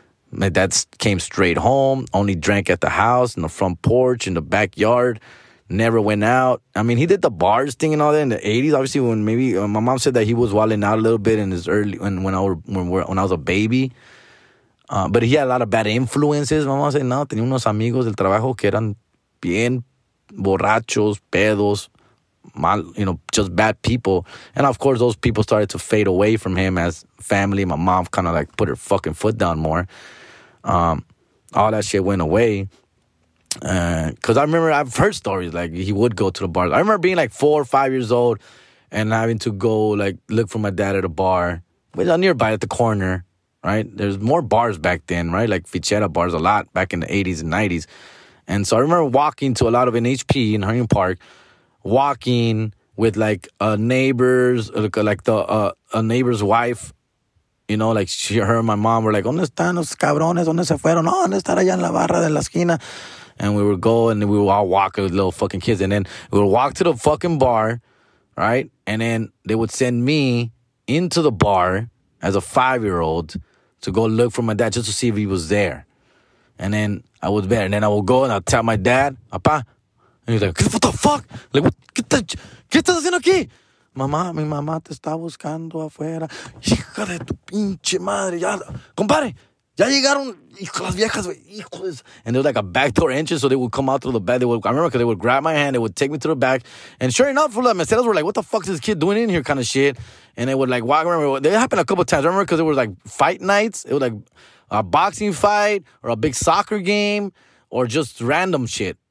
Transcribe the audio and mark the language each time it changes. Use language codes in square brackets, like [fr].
[en] And my dad came straight home, only drank at the house, in the front porch, in the backyard, never went out. I mean, he did the bars thing and all that in the 80s. Obviously, when my mom said that he was wilding out a little bit in his early, when I was a baby. But he had a lot of bad influences. My mom said, no, [es] tenía unos amigos del trabajo que eran bien borrachos, pedos, mal, [en] you know, just bad people. And of course, those people started to fade away from him as family. My mom kind of like put her fucking foot down more. All that shit went away. Because I remember I've heard stories like he would go to the bar. I remember being like 4 or 5 years old and having to go like look for my dad at a bar nearby at the corner, right? There's more bars back then, right? Like Fichera bars a lot back in the 80s and 90s. And so I remember walking to a lot of NHP in Huntington Park, walking with like a neighbor's, like the a neighbor's wife, you know, like she, her and my mom were like, [es] ¿Dónde están los cabrones? ¿Dónde se fueron? No, ¿dónde están allá en la barra de la esquina? [en] And we would go and we would all walk with little fucking kids. And then we would walk to the fucking bar, right? And then they would send me into the bar as a five-year-old to go look for my dad just to see if he was there. And then I was better. And then I would go and I'd tell my dad, Papa. And he's like, what the fuck? Like, what? [es] ¿Qué estás haciendo aquí? Mamá, mi mamá te está buscando afuera. Hija de tu pinche madre. Ya, compadre, ya llegaron. Hijo las viejas, hijos. [en] And there was like a backdoor entrance, so they would come out through the back. I remember because they would grab my hand, they would take me to the back. And sure enough, the meseros were like, what the fuck is this kid doing in here kind of shit? And they would like walk around. It happened a couple of times. I remember because it was like fight nights. It was like a boxing fight or a big soccer game or just random shit.